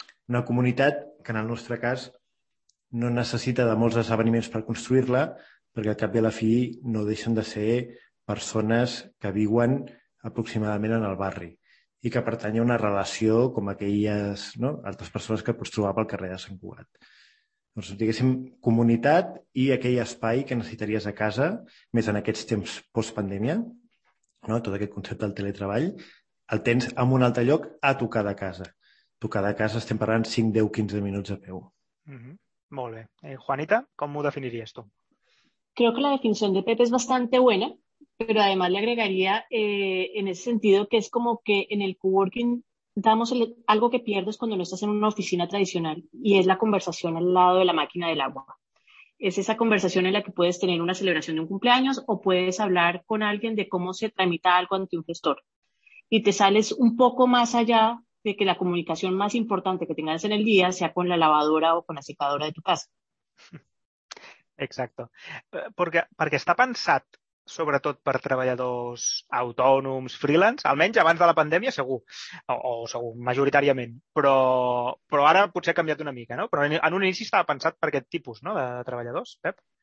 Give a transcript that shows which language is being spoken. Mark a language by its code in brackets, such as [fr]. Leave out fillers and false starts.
[ca] Una comunitat que, en el nostre cas, no necessita de molts esdeveniments per construir-la, perquè al cap i a la fi no deixen de ser persones que viuen aproximadament en el barri i que pertany a una relació com aquelles, no?, altres persones que pots trobar pel carrer de Sant Cugat. Doncs, diguéssim, comunitat i aquell espai que necessitaries a casa, més en aquests temps post-pandèmia, no?, tot aquest concepte del teletreball, el tens en un altre lloc a tocar de casa. Tocar de casa estem parlant 5, 10, 15 minuts a peu. Molt bé. [es] Juanita, ¿cómo lo definirías tú? Creo que la definición de Pepe es bastante buena, pero además le agregaría en ese sentido que es como que en el coworking damos algo que pierdes cuando no estás en una oficina tradicional y es la conversación al lado de la máquina del agua. Es esa conversación en la que puedes tener una celebración de un cumpleaños o puedes hablar con alguien de cómo se tramita algo ante un gestor. Y te sales un poco más allá de que la comunicación más importante que tengas en el día sea con la lavadora o con la secadora de tu casa. Exacto. [ca] Perquè està pensat sobretot per treballadors autònoms, freelance, almenys abans de la pandèmia segur, o segur, majoritàriament, però ara potser ha canviat una mica, no? Però en un inici estava pensat per aquest tipus, no?, de treballadors, Pep?